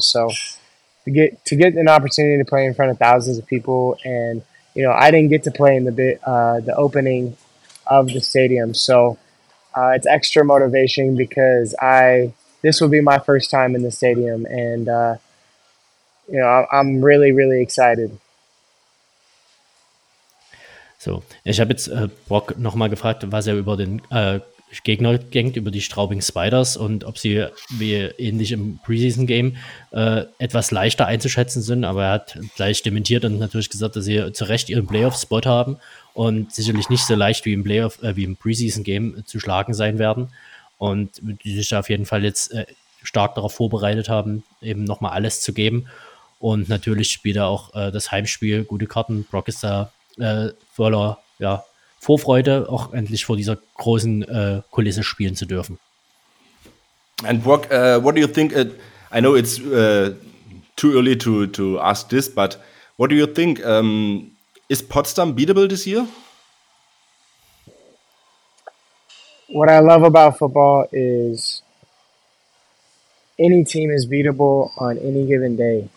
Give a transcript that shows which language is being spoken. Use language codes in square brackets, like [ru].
[en] So to get an opportunity to play in front of thousands of people, and you know, I didn't get to play in the opening of the stadium. So it's extra motivation because this will be my first time in the stadium, and you know, I'm really, really excited. [de] So, ich habe jetzt Brock nochmal gefragt, was er über den Gegner denkt, über die Straubing Spiders und ob sie wie ähnlich im Preseason-Game etwas leichter einzuschätzen sind. Aber er hat gleich dementiert und natürlich gesagt, dass sie zu Recht ihren Playoff-Spot haben und sicherlich nicht so leicht wie im Preseason-Game zu schlagen sein werden. Und die sich auf jeden Fall jetzt stark darauf vorbereitet haben, eben nochmal alles zu geben. Und natürlich spielt er auch das Heimspiel gute Karten. Brock ist da voller ja, Vorfreude, auch endlich vor dieser großen Kulisse spielen zu dürfen. [en] And Brock, what do you think? I know it's too early to ask this, but what do you think? Is Potsdam beatable this year? What I love about football is any team is beatable on any given day.